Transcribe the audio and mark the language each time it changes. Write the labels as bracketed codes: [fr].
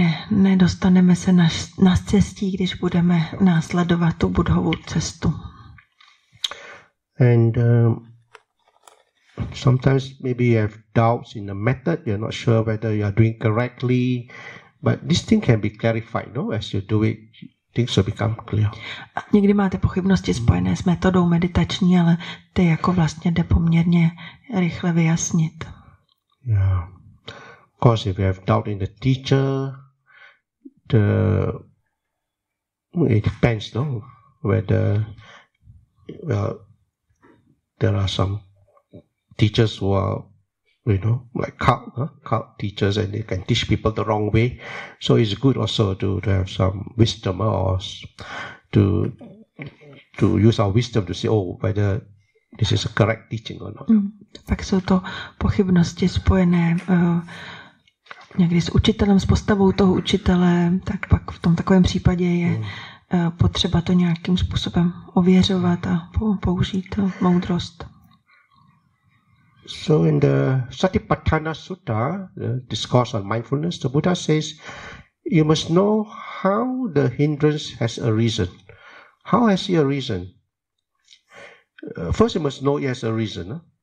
[cs] Nedostaneme se na cestí, když budeme následovat tu buddhovou cestu. [en] And Sometimes maybe you have doubts in the method, you're not sure whether you are doing correctly, but this thing can be clarified, no? As you do it, things will become clear. [cs] A někdy máte pochybnosti spojené s metodou meditační, ale to jako vlastně jde poměrně rychle vyjasnit. [en] Yeah. Of course, if you have doubt in the teacher, it depends, no? Whether, well, there are some teachers who are, you know, like cult teachers, and they can teach people the wrong way. So it's good also to have some wisdom or to use our wisdom to say, oh, whether this is a correct teaching or not. [cs] Tak jsou to pochybnosti spojené někdy s učitelem, s postavou toho učitele, tak pak v tom takovém případě je potřeba to nějakým způsobem ověřovat a použít moudrost. [en] So in the Satipatthana Sutta, the discourse on mindfulness, the Buddha says, you must know how the hindrance has arisen. How has it arisen? First, you must know it has arisen.